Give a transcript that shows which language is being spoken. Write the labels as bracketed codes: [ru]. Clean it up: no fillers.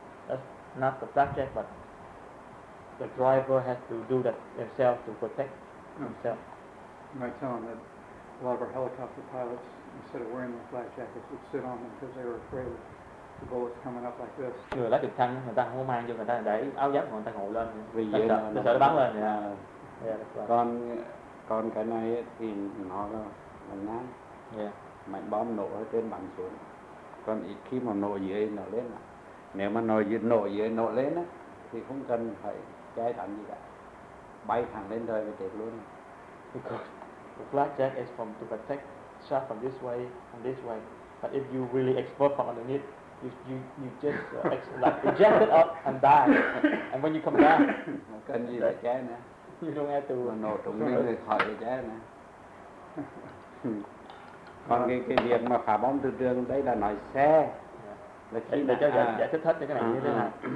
[en] That's not the flak jacket, but the driver has to do that themselves to protect himself. You might tell him that a lot of our helicopter pilots, instead of wearing the flak jackets, would sit on them because they were afraid of the bullets coming up like this. [vi] Người lái trực thăng người ta không mang vô, người ta để áo giáp người ta ngồi lên vì sợ nó sợ nó bắn lên. Còn cái này thì nó là mạnh nam. [en] Yeah. [vi] Mạnh bom nổ ở trên bắn xuống. Còn ít khi mà nổ dưới nó lên. Nếu mà nổ dưới nổ lên á thì không cần phải chạy thẳng gì cả. Bay thẳng lên trời và chết luôn. [en] Because the flak jacket is from to protect shot from this way and this way. But if you really explode from underneath, you just eject it up and die. And when you come down, [vi] cần gì để chạy nè. [en] You don't have to [vi] nổ trúng mình thì khỏi để chạy nè. Còn cái việc mà phá bom từ trường đây là nói xe. Là khi để cho giải thích hết cái này như thế nào.